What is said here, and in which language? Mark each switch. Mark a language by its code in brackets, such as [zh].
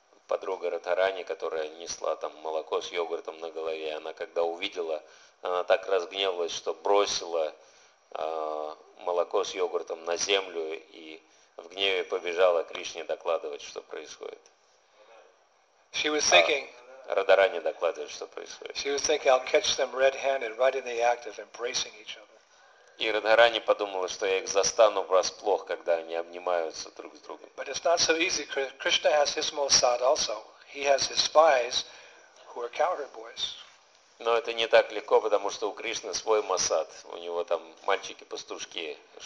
[ru] подруга Радхарани, которая несла там молоко с йогуртом на голове, она когда увидела, она так разгневалась, что бросила молоко с йогуртом на землю и в гневе побежала Кришне докладывать, что происходит. [en] She was thinking, [ru] Радхарани докладывает, что происходит. [en] She was thinking, I'll catch them red-handed right in the act of embracing each other. [ru] И Радхарани подумала, что я их застану врасплох, когда они обнимаются друг с другом. [en] But it's not so easy. Krishna has his Mossad also. He has his spies who are cowherd boys. [ru] Но это не так легко, потому что у Кришны свой Моссад. У него там мальчики-пастушки,